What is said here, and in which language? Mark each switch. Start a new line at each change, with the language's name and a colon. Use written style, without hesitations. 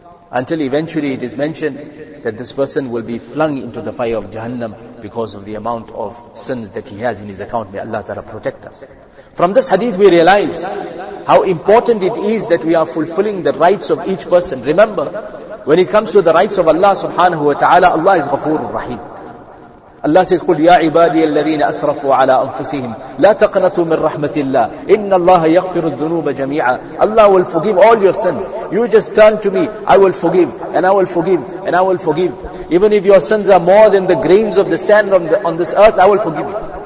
English: Until eventually it is mentioned that this person will be flung into the fire of Jahannam because of the amount of sins that he has in his account. May Allah Ta'ala protect us. From this hadith we realize how important it is that we are fulfilling the rights of each person. Remember, when it comes to the rights of Allah subhanahu wa ta'ala, Allah is Ghafoor Rahim. Allah says,
Arabic: قُلْ يَا عِبَادِيَ الَّذِينَ أَسْرَفُوا عَلَىٰ أَنفُسِهِمْ لَا تَقْنَتُوا مِنْ رَحْمَةِ اللَّهِ إِنَّ اللَّهَ يَغْفِرُ الذُّنُوبَ جَمِيعًا.
English: Allah will forgive all your sins. You just turn to me, I will forgive, and I will forgive, and I will forgive. Even if your sins are more than the grains of the sand on this earth, I will forgive you.